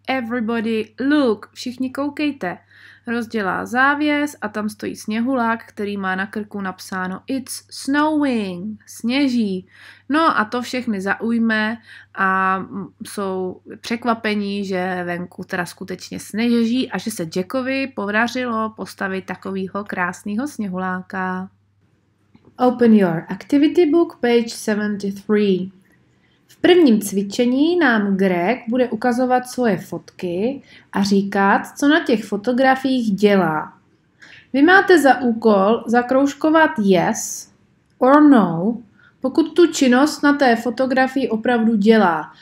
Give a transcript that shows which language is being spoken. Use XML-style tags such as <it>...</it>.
<en>Everybody, look!</en> <cs>Všichni koukejte. Rozdělá závěs a tam stojí sněhulák, který má na krku napsáno</cs> <en>It's snowing,</en> <cs>sněží. No a to všechny zaujme a jsou překvapení, že venku teda skutečně sněží a že se Jackovi podařilo postavit takovýho krásného sněhuláka.</cs> <en>Open your activity book, page 73.</en> <cs>V prvním cvičení nám Greg bude ukazovat svoje fotky a říkat, co na těch fotografiích dělá. Vy máte za úkol zakroužkovat</cs> <en>yes or no,</en> <cs>pokud tu činnost na té fotografii opravdu dělá.</cs>